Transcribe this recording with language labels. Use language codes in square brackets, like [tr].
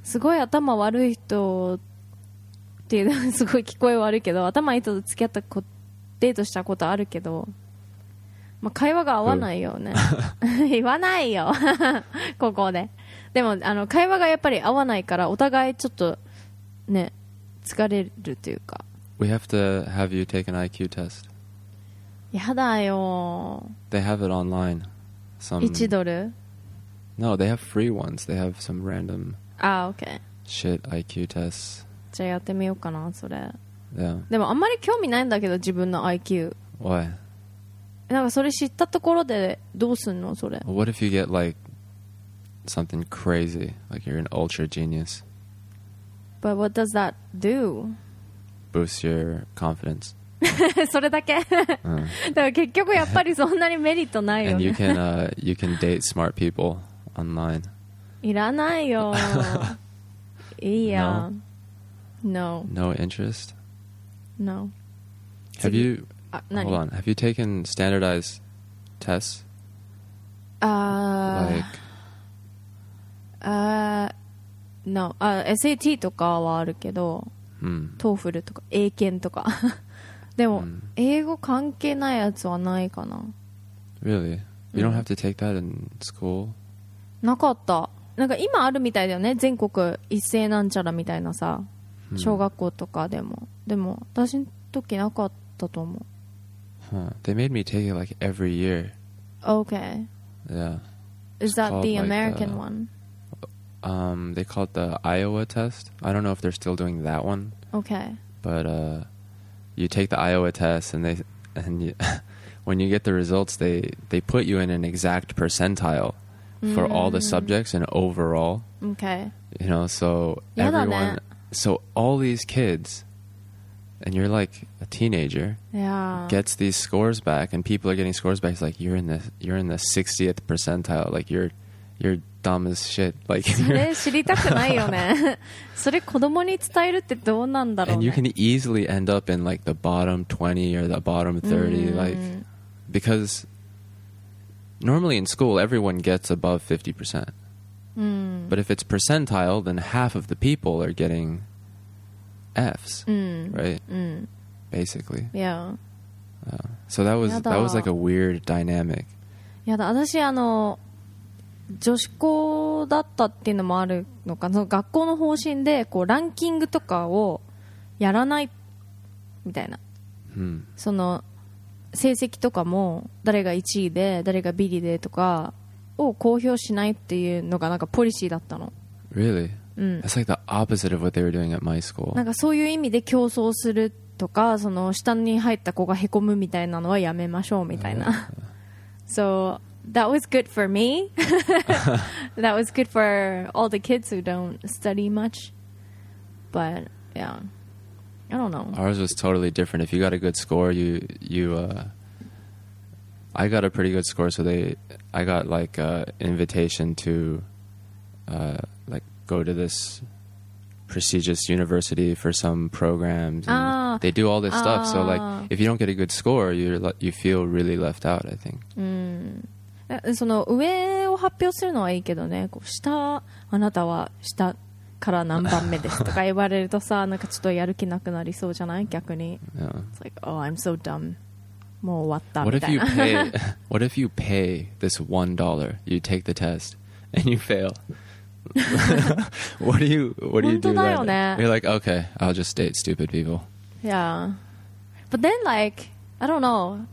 [ja] すごい頭悪い人っていう、すごい聞こえ悪いけど、頭いい人と付き合ったこと、デートしたことあるけど、まあ、会話が合わないよね。言わないよ。ここで。でも、あの、会話がやっぱり合わないから、お互いちょっと、ね、疲れるというか。 [en] We have to have you take an IQ test. [ja] やだよ。 [en] They have it online. Some... $1? No, they have free ones. They have some random... Ah, okay. Shit, IQ tests. [ja] じゃあやってみようかな、それ。 [en] Yeah. [ja] でもあんまり興味ないんだけど自分の IQ。 [en] Why? [ja] なんかそれ知ったところでどうすんのそれ。 [en] What if you get like something crazy, like you're an ultra genius? But what does that do? Boost your confidence. [ja] それだけ。だから結局やっぱりそんなにメリットないよね。 [en] And you can date smart people online. [ja] いらないよ。いいや。 [en] No. No interest? No. Have you hold on? Have you taken standardized tests? No. [ja] SAT とかはあるけど、TOEFL とか英検とか。でも英語関係ないやつはないかな。 [en] Really? You don't have to take that in school? [ja] なかった。なんか今あるみたいだよね。全国一斉なんちゃらみたいなさ。小学校とかでも、でも私の時なかったと思う。 [en] Huh. They made me take it like every year. Okay. Yeah. Is that the American one? They call it the Iowa test. I don't know if they're still doing that one. Okay. But you take the Iowa test and you when you get the results, they put you in an exact percentile for all the subjects and overall. Okay. You know, so everyone. So all these kids, and you're like a teenager, yeah. gets these scores back, and people are getting scores back. It's like you're in the 60th percentile. Like you're dumb as shit. Like [ja] それ知りたくないよね。それ子供に伝えるってどうなんだろうね。 [en] And you can easily end up in like the bottom 20 or the bottom 30, like because normally in school everyone gets above 50%. But if it's percentile, then half of the people are getting F's, right? Basically. Yeah. So that was like a weird dynamic. Yeah, [ja] だ私あの女子校だったっていうのもあるのか、その学校の方針でこうランキングとかをやらないみたいな。その成績とかも誰が1位で誰がビリでとかを公表しないっていうのがなんかポリシーだったの。 [en] Really?、うん、That's like the opposite of what they were doing at my school. [ja] なんかそういう意味で競争するとかその下に入った子がへこむみたいなのはやめましょうみたいな、 [en] So that was good for me. That was good for all the kids who don't study much. But yeah. I don't know. Ours was totally different. If you got a good score, I got a pretty good score, so I got like an invitation to like go to this prestigious university for some programs. And they do all this stuff. So like, if you don't get a good score, you feel really left out, I think. [ja] その上を発表するのはいいけどね。こう下、あなたは下。から何番目ですとか言われるとさ、なんかちょっとやる気なくなりそうじゃない？逆に。 [en] Yeah. It's like, oh, I'm so dumb. [ja] もう終わったみたいな。 [en] What if you pay this $1, you take the test, and you fail? What do you do then? [ja] 本当だよね。 [en] You're like, okay, I'll just date stupid people. Yeah. But then, like, I don't know.